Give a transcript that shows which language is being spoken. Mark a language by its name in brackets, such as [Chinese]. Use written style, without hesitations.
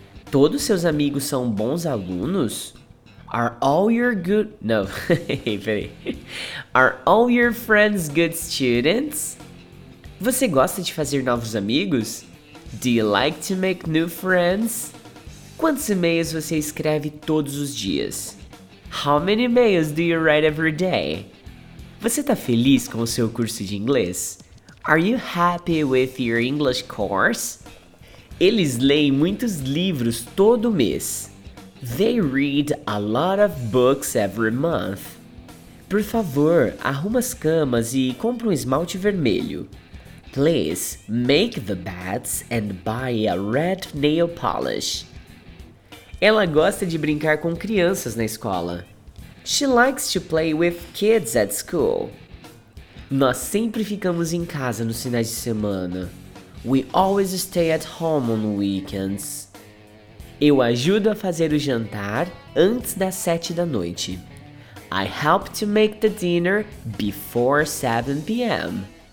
[Portuguese] Todos seus amigos são bons alunos? [English] Are all your friends good students? [Portuguese] Você gosta de fazer novos amigos? [English] Do you like to make new friends? [Portuguese] Quantos e-mails você escreve todos os dias? [English] How many e-mails do you write every day? [Portuguese] Você tá feliz com o seu curso de inglês? [English] Are you happy with your English course? [Portuguese] Eles leem muitos livros todo mês. [English] They read a lot of books every month. [Portuguese] Por favor, arruma as camas e compra um esmalte vermelho. [English] Please, make the beds and buy a red nail polish. [Portuguese] Ela gosta de brincar com crianças na escola. [English] She likes to play with kids at school. [Portuguese] Nós sempre ficamos em casa nos finais de semana. [English] We always stay at home on weekends. [Portuguese] Eu ajudo a fazer o jantar antes das 7 da noite. [English] I help to make the dinner before 7 p.m.